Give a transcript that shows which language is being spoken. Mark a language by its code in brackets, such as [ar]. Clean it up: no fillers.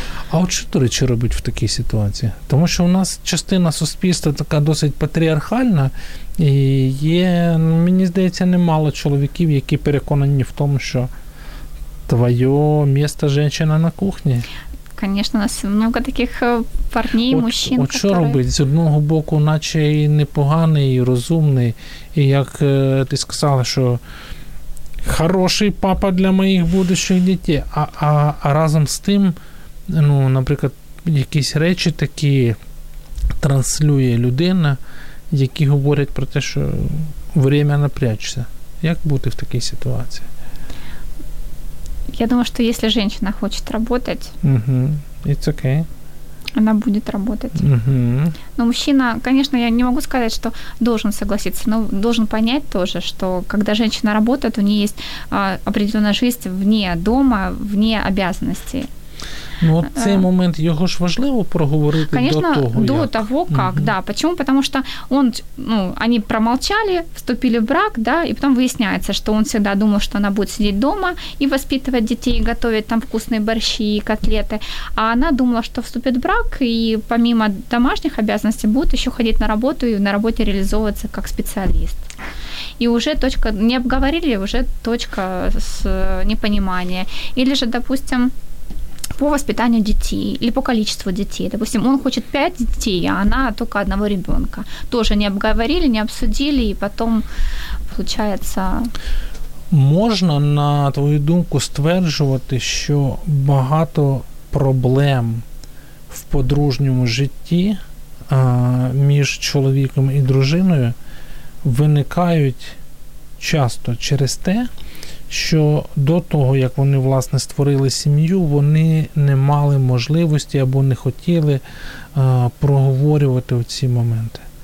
[ru] А вот что, [uk] до речи, робить [ru] в такой ситуации? Потому что у нас [uk] частина суспільства [ru] такая достаточно патриархальна, и есть, мне кажется, немало [uk] чоловіків, які переконані [ru] в том, что твое место женщина на кухне. Конечно, у нас много таких парней, от, мужчин. [uk] От що робить? З одного боку, наче і непоганий, і розумний. І як ти сказала, що хороший папа для моїх будущих дітей. А разом з тим, ну, наприклад, якісь речі такі транслює людина, які говорять про те, що [ru] время напрячься. [uk] Як бути в такій ситуації? [ru] Я думаю, что если женщина хочет работать, [en] It's okay. [ru] Она будет работать. Но мужчина, конечно, я не могу сказать, что должен согласиться, но должен понять тоже, что когда женщина работает, у нее есть определенная жизнь вне дома, вне обязанностей. [uk] Ну, вот цей момент, його ж важливо проговорити, [ru] конечно, до того, как. Да. Почему? Потому что он, ну, они промолчали, вступили в брак, да, и потом выясняется, что он всегда думал, что она будет сидеть дома и воспитывать детей, и готовить там вкусные борщи и котлеты, а она думала, что вступит в брак, и помимо домашних обязанностей будет еще ходить на работу и на работе реализовываться как специалист. И уже точка, не обговорили, уже точка с непонимания. Или же, допустим, по воспитанию детей или по количеству детей. Допустим, он хочет 5 детей, а она только одного ребенка. Тоже не обговорили, не обсудили, и потом получается... [uk] Можно, на твою думку, стверджувати, що багато проблем в подружньому житті між чоловіком і дружиною виникають часто через те, що до того, як вони, власне, створили сім'ю, вони не мали можливості або не хотіли проговорювати оці моменти.